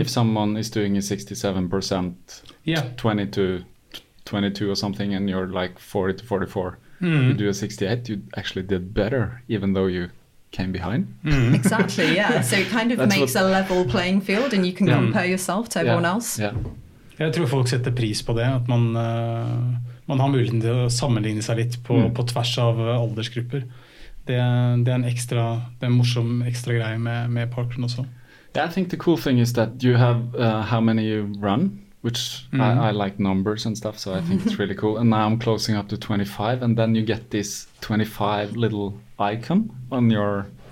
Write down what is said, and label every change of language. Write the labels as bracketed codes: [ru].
[en] If someone is doing a 67%, 20 to 22 or something, and you're like 40 to 44, you do a 68, you actually did better, even though you came behind. Mm. Exactly, yeah. So it kind of makes a level playing field and you can compare yourself to everyone else. Yeah. [no] Jeg tror folk setter pris på det, at man har muligheten til å sammenligne seg litt på, på tvers av aldersgrupper. Det en ekstra, det en morsom ekstra greie med parkrun også. [en] Yeah, I think the cool thing is that you have how many you run, which I like numbers and stuff, so I think it's really cool. And now I'm closing up to 25, and then you get this 25 little icon on your...